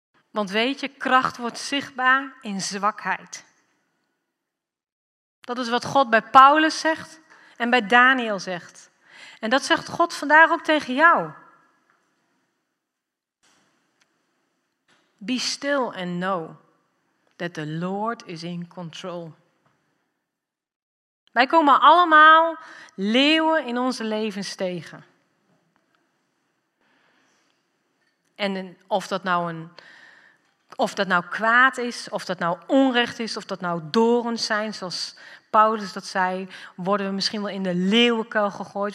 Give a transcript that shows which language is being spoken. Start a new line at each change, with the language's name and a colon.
Dutch: Want weet je, kracht wordt zichtbaar in zwakheid. Dat is wat God bij Paulus zegt en bij Daniël zegt. En dat zegt God vandaag ook tegen jou.
English: Be still and know that the Lord is in control.
Dutch: Wij komen allemaal leeuwen in onze levens tegen. En of dat nou een Of dat nou kwaad is, of dat nou onrecht is, of dat nou dorens zijn, zoals Paulus dat zei, worden we misschien wel in de leeuwenkuil gegooid.